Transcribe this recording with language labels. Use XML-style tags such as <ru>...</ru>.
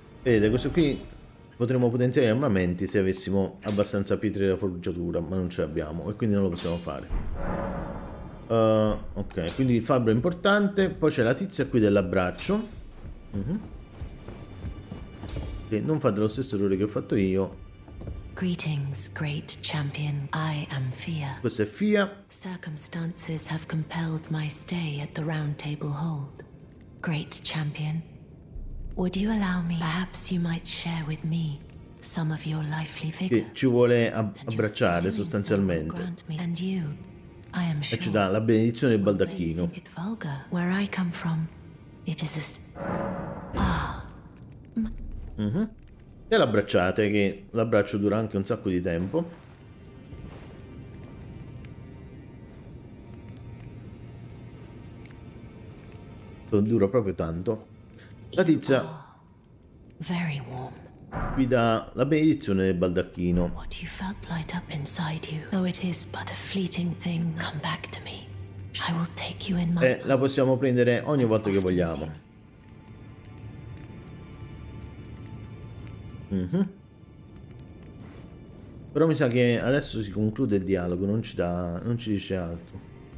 <it>Vedete, questo qui potremmo potenziare gli armamenti se avessimo abbastanza pietre da forgiatura, ma non ce l'abbiamo e quindi non lo possiamo fare. Ok, quindi il fabbro è importante. Poi c'è la tizia qui dell'abbraccio. Che non fa dello stesso errore che ho fatto io.</it> <en>Greetings, great champion. I am Fia.</en> <it>Questa è Fia.</it> <en>Circumstances have compelled my stay at the Round Table Hold. Great champion. Would you allow me? Perhaps you might share with me some of your lively vigor.</en> <it>Che ci vuole abbracciare sostanzialmente.</it> <en>And you, I am sure.</en> <it>E ci dà la benedizione del baldacchino.</it> <en>Where I come from, it is a. Ah.</en> <it>E l'abbracciate, che l'abbraccio dura anche un sacco di tempo. Dura proprio tanto. La tizia vi dà la benedizione del baldacchino.</it> <en>What you felt light up inside you, though it is but a fleeting thing, come back to me. I will take you in my.</en> <it>La possiamo prendere ogni volta che vogliamo. Però mi sa che adesso si conclude il dialogo, non ci dice altro.</it>